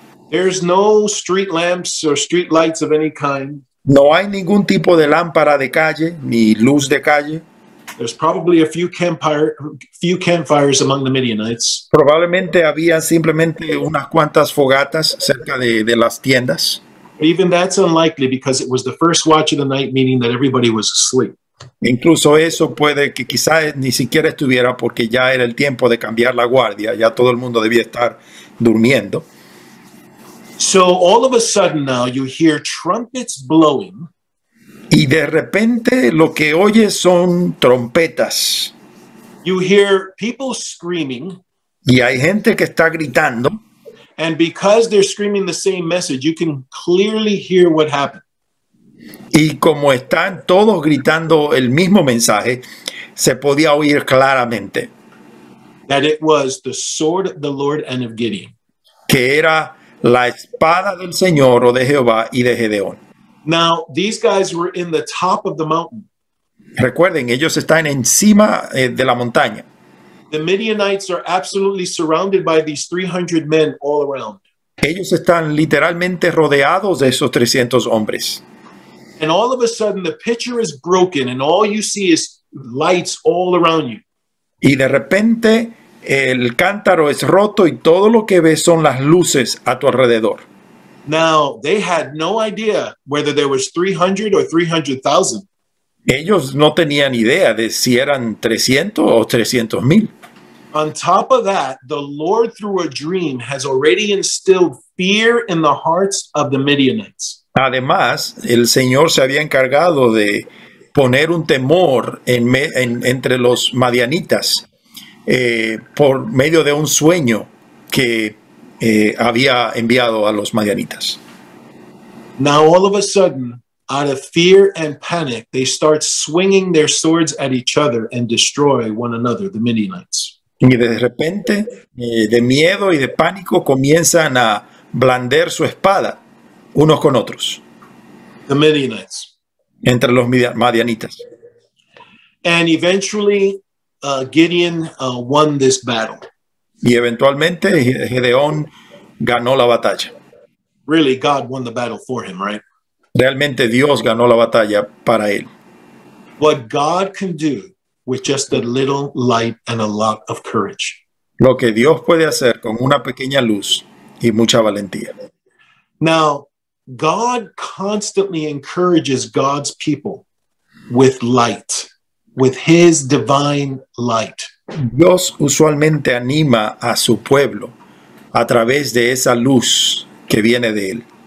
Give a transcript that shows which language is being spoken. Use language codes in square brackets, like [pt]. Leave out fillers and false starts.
[en] There's no street lamps or street lights of any kind. [es] No hay ningún tipo de lámpara de calle ni luz de calle. [en] There's probably a few campfires among the Midianites. [es] Probablemente había simplemente unas cuantas fogatas cerca de las tiendas. [en] But even that's unlikely because it was the first watch of the night, meaning that everybody was asleep. [es] Incluso eso puede que quizás ni siquiera estuviera porque ya era el tiempo de cambiar la guardia, ya todo el mundo debía estar durmiendo. [en] So all of a sudden now you hear trumpets blowing. [es] Y de repente lo que oyes son trompetas. [en] You hear people screaming. [es] Y hay gente que está gritando. [en] And because they're screaming the same message, you can clearly hear what happened. [es] Y como están todos gritando el mismo mensaje, se podía oír claramente. [en] That it was the sword of the Lord and of Gideon. [es] Que era la espada del Señor o de Jehová y de Gedeón. [en] Now, these guys were in the top of the mountain. [es] Recuerden, ellos están encima de la montaña. [en] The Midianites are absolutely surrounded by these 300 men all around. [es] Ellos están literalmente rodeados de esos 300 hombres. [en] And all of a sudden the picture is broken and all you see is lights all around you. [es] Y de repente el cántaro es roto y todo lo que ves son las luces a tu alrededor. [en] Now, they had no idea whether there was 300 or 300,000. [es] Ellos no tenían idea de si eran 300 o 300,000. [en] On top of that, the Lord through a dream has already instilled fear in the hearts of the Midianites. [es] Además, el Señor se había encargado de poner un temor entre los madianitas por medio de un sueño que había enviado a los madianitas. [en] Now all of a sudden, out of fear and panic, they start swinging their swords at each other and destroy one another, the Midianites. [es] Y de repente, de miedo y de pánico, comienzan a blandir su espada unos con otros. [en] The Midianites. [es] Entre los madianitas. [en] And eventually, Gideon won this battle. [es] Y eventualmente Gedeón ganó la batalla. [en] Really, God won the battle for him, right? [es] Realmente Dios ganó la batalla para él. [en] What God can do with just a little light and a lot of courage. [es] Lo que Dios puede hacer con una pequeña luz y mucha valentía. [en] Now, God constantly encourages God's people with light, with his divine light. [es] Dios usualmente anima a su pueblo a través de esa luz que viene de él.